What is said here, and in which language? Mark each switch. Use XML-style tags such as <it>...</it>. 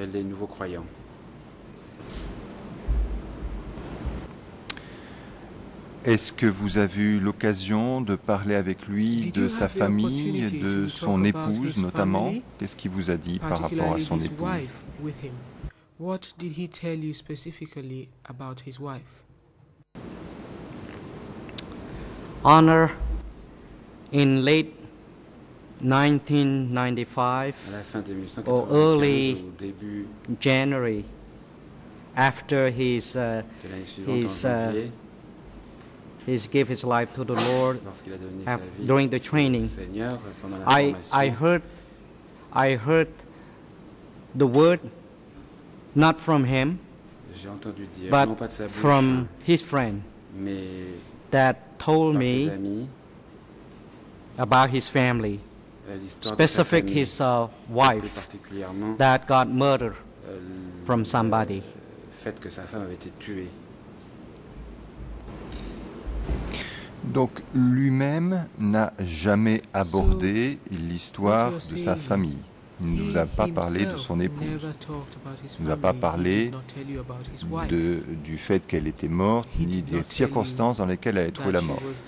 <fr>Les nouveaux croyants. Est-ce que vous avez eu l'occasion de parler avec lui, de sa famille, de son épouse notamment? Qu'est-ce qu'il vous a dit par rapport à son épouse?</fr> <en>What did he tell you specifically about his wife? Honor, in late 1995 or early January, after he's gave his life to the Lord during the training, I heard the word not from him, but from his friend that told me about his family, specific his wife that got murdered from somebody.</en> <fr>Fait que sa femme avait été tuée. Donc lui-même n'a jamais abordé l'histoire de sa famille. Il ne nous a pas parlé de son épouse. Il ne nous a pas parlé du fait qu'elle était morte, ni des circonstances dans lesquelles elle a trouvé la mort.</fr>